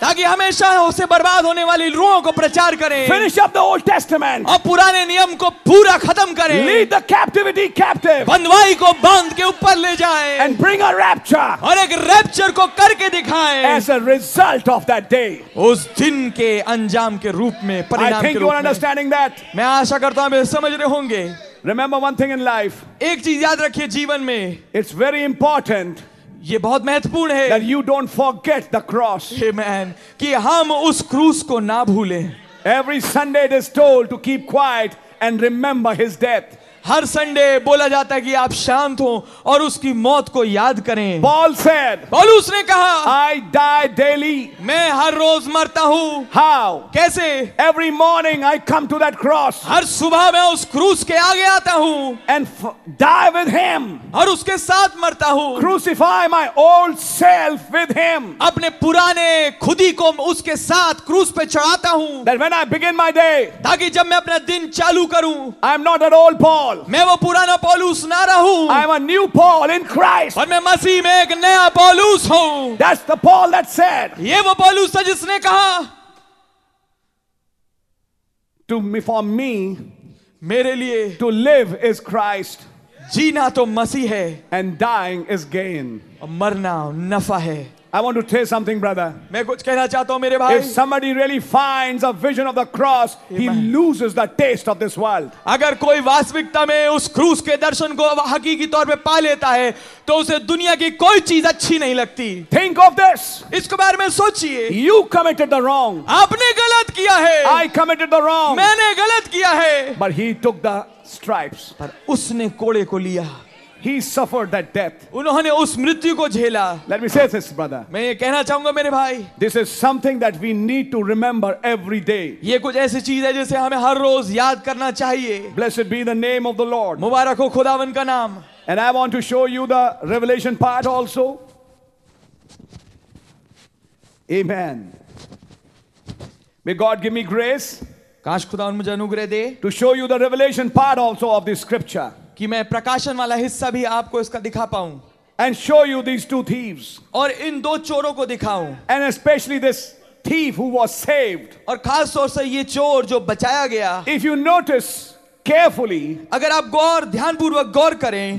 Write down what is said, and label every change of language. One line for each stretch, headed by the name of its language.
Hindi: ताकि हमेशा उसे बर्बाद होने वाली रूहों को प्रचार करें,
English: finish up the Old Testament,
Hindi: और पुराने नियम को पूरा खत्म करें,
English: lead the captivity captive,
Hindi: बंधुआई को बांध के ऊपर ले जाएं,
English: and bring a rapture,
Hindi: और एक रैप्चर को करके दिखाएं,
English: as a result of that day,
Hindi: उस दिन के अंजाम के रूप में, परिणाम के रूप में.
English: I think you are understanding that.
Hindi: मैं आशा करता हूं मैं समझ रहे हूं.
English: Remember one thing in life.
Hindi: एक चीज याद रखिए जीवन में.
English: It's very important.
Hindi: ये बहुत महत्वपूर्ण है.
English: That you don't forget the cross.
Hindi: Amen. कि हम उस क्रूस को ना भूलें.
English: Every Sunday it is told to keep quiet and remember his death.
Hindi: हर Sunday बोला जाता है कि आप शांत हो और उसकी मौत को याद करें.
English: Paul said,
Hindi: पौलुस ने कहा,
English: I die daily.
Hindi: मैं हर रोज मरता हूं.
English: How?
Hindi: कैसे?
English: Every morning I come to that cross.
Hindi: हर सुबह मैं उस क्रूस के आगे आता हूं.
English: And die with him.
Hindi: और उसके साथ मरता हूं.
English: Crucify my old self with him.
Hindi: अपने पुराने खुदी को उसके साथ क्रूस पे चढ़ाता हूं.
English: That when I begin my day,
Hindi: ताकि जब मैं अपना दिन चालू करूं,
English: I am not an old Paul.
Hindi: मैं वो पुराना पौलुस ना रहूं.
English: I am a new Paul in Christ.
Hindi: और मैं मसीह में एक नया पौलुस हूं.
English: That's the Paul that said.
Hindi: ये वो पौलुस था जिसने कहा,
English: To me, for me,
Hindi: मेरे लिए,
English: To live is Christ.
Hindi: जीना तो मसीह है.
English: And dying is gain.
Hindi: और मरना नफा है.
English: I want to tell something, brother.
Hindi: मैं कुछ कहना चाहता हूँ मेरे भाई.
English: If somebody really finds a vision of the cross, Amen. He loses the taste of this world.
Hindi: अगर कोई वास्तविकता में उस क्रूस के दर्शन को हकीकी तौर पे पा लेता है, तो उसे दुनिया की कोई चीज अच्छी नहीं लगती.
English: Think of this.
Hindi: इसके बारे में सोचिए.
English: You committed the wrong.
Hindi: आपने गलत किया है.
English: I committed the wrong.
Hindi: मैंने गलत किया है.
English: But he took the stripes.
Hindi: पर उसने कोड़े को लिया.
English: He suffered that death.
Hindi: उन्होंने उस मृत्यु को झेला.
English: Let me say this, brother.
Hindi: मैं ये कहना चाहूंगा मेरे भाई.
English: This is something that we need to remember every day.
Hindi: ये कुछ ऐसी चीज है जिसे हमें हर रोज याद करना चाहिए.
English: Blessed be the name of the Lord.
Hindi: मुबारक हो खुदावन का नाम.
English: And I want to show you the revelation part also. Amen. May God give me grace.
Hindi: काश खुदावन मुझे अनुग्रह दे.
English: To show you the revelation part also of this scripture.
Hindi: कि मैं प्रकाशन वाला हिस्सा भी आपको इसका दिखा पाऊं.
English: And show you these two thieves.
Hindi: और इन दो चोरों को दिखाऊं.
English: And specially this thief who was saved.
Hindi: और खास तौर से ये चोर जो बचाया गया.
English: if you notice carefully,
Hindi: अगर आप गौर ध्यानपूर्वक गौर करें,